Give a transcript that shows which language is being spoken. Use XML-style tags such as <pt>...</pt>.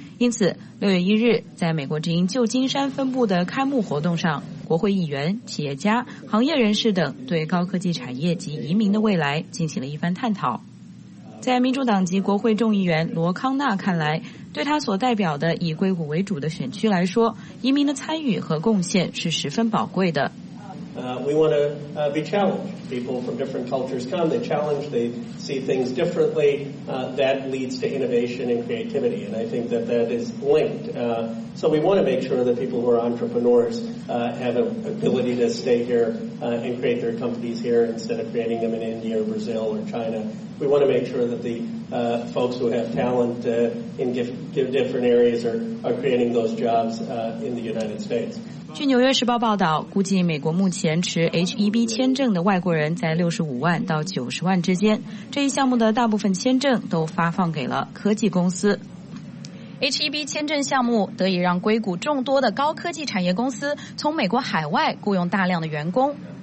<zh>因此6月1日在美国之音旧金山分部的开幕活动上，国会议员、企业家、行业人士等对高科技产业及移民的未来进行了一番探讨。在民主党籍国会众议员罗康纳看来，对他所代表的以硅谷为主的选区来说，移民的参与和贡献是十分宝贵的。</zh> <en>We want to be challenged. People from different cultures come, they challenge, they see things differently. That leads to innovation and creativity, and I think that that is linked. So we want to make sure that people who are entrepreneurs have an ability to stay here and create their companies here instead of creating them in India or Brazil or China. We want to make sure that the folks who have talent in different areas are creating those jobs in the United States.</en> <zh>据纽约时报报道，估计美国目前持 H-1B 签证的外国人在65万到90万之间，这一项目的大部分签证都发放给了科技公司。 H-1B 签证项目得以让硅谷众多的高科技产业公司从美国海外雇佣大量的员工。</zh>